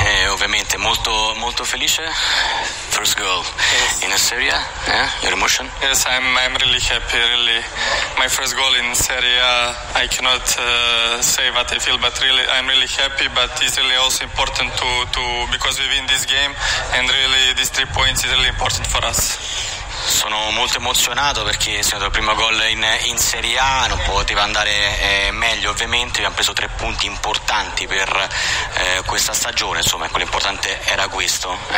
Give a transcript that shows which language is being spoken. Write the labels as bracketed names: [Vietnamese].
[Italian] ovviamente molto molto felice. [English] First goal in Serie A, your emotion? Yes, I'm really happy, really. My first goal in Serie A, I cannot say what I feel, but really I'm really happy, but it's really also important to because we win this game and really these 3 points is really important for us. [Italian] Sono molto emozionato perché è stato il primo gol in Serie A, non poteva andare meglio ovviamente, abbiamo preso 3 punti importanti per questa stagione, insomma quello importante era questo.